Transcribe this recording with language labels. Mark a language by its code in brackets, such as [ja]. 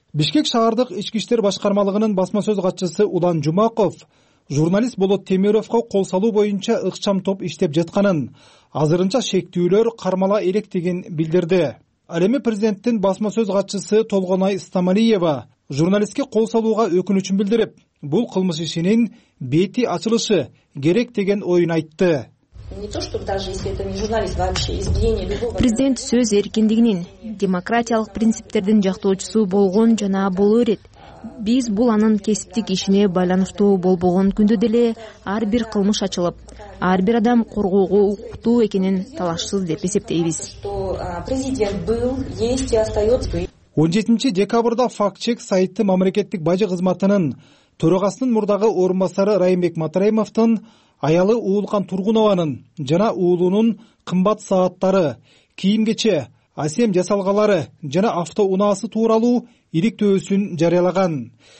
[ky] Бишкек шаардык ички иштер башкармалыгынын басма сөз катчысы Улан Жумаков журналист Болот Темировко кол салуу боюнча ыкчам топ иштеп жатканын, азырынча шектүүлөр кармала электигин билдирди. Ал эми президенттин басма сөз катчысы Толгонай Стамалиева журналистке кол салууга өкүнүчүн билдирип, бул кылмыш ишинин бети ачылышы керек деген оюн айтты. [ru] Не то, что даже если это не журналист, вообще избиение любого. [ky] Президент сөз эркиндигинин, демократиялык принциптердин жактоочусу болгон жана боло берет. Биз бул анын кесиптик ишине байланыштуу болбогон күндө деле ар бир кылмыш ачылып, ар бир адам коргоого укуктуу экенин талашсыз деп эсептейбиз. [ru] Президент был, есть и остается. [ky] 17 декабрда фактчек сайты мамлекеттик бажы кызматынын төрагасынын мурдагы орун басары Райымбек Матраимовтун аялы Уулкан Тургунованын жана уулунун кымбат сааттары, кийим кече, асем жасалгалары жана авто унаасы тууралуу иликтөөсүн жарыялаган.